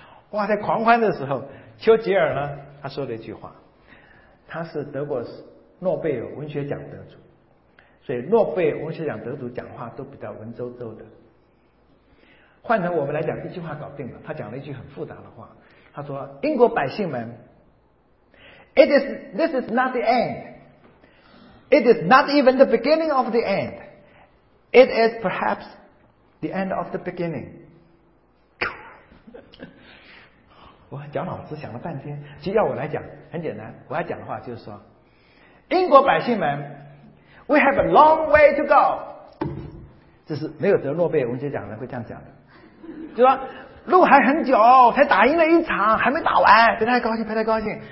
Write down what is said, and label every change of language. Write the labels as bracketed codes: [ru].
[zh] 哇，在狂欢的时候，丘吉尔呢，他说了一句话，他是德国诺贝尔文学奖得主，所以诺贝尔文学奖得主讲话都比较文绉绉的。换成我们来讲，一句话搞定了。他讲了一句很复杂的话，他说：“英国百姓们 ， [en] this is not the end. It is not even the beginning of the end. It is perhaps the end of the beginning.” [zh] 我绞脑子想了半天，其实要我来讲，很简单，我要讲的话就是说：英国百姓们 ， [en] we have a long way to go. [zh] 这是没有得诺贝尔文学奖的人会这样讲的。就说路还很久，才打赢了一场，还没打完，别太高兴，别太高兴。